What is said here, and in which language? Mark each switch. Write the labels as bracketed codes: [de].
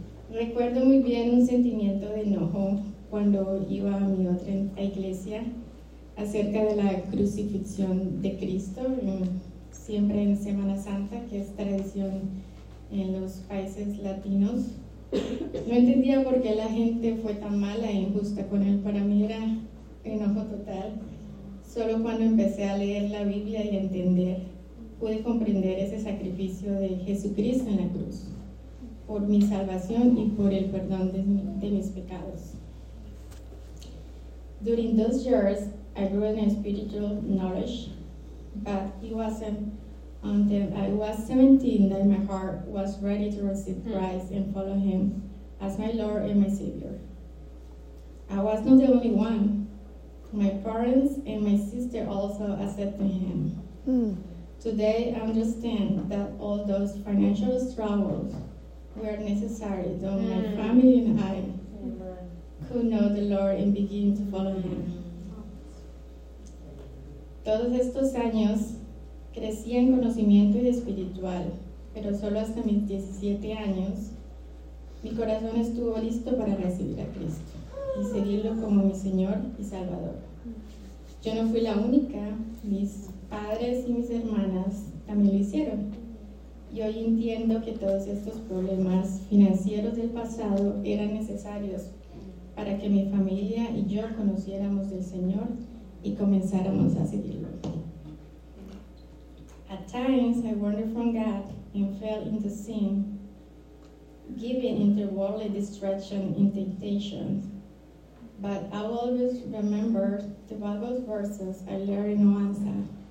[es] Recuerdo muy bien un sentimiento de enojo cuando iba a mi otra iglesia acerca de la crucifixión de Cristo, siempre en Semana Santa, que es tradición en los países latinos. No entendía por qué la gente fue tan mala e injusta con él. Para mí era enojo total. Solo cuando empecé a leer la Biblia y a entender, pude comprender ese sacrificio de Jesucristo en la cruz por mi salvación y por el perdón de mis pecados. [en] During those years, I grew in spiritual knowledge, but it wasn't until I was 17 that my heart was ready to receive Christ and follow him as my Lord and my Savior. I was not the only one. My parents and my sister also accepted him. Today, I understand that all those financial struggles were necessary, though my family and I could know the Lord and begin to follow Him. [es] Todos estos años crecí en conocimiento espiritual, pero solo hasta mis 17 años mi corazón estuvo listo para recibir a Cristo y seguirlo como mi Señor y Salvador. Yo no fui la única, mis padres y mis hermanas también lo hicieron. Y hoy entiendo que todos estos problemas financieros del pasado eran necesarios para que mi familia y yo conociéramos del Señor y comenzáramos a seguirlo. [en] At times, I wandered from God and fell into sin, giving into worldly distraction and temptations. But I will always remember the Bible's verses I learned in Oneza.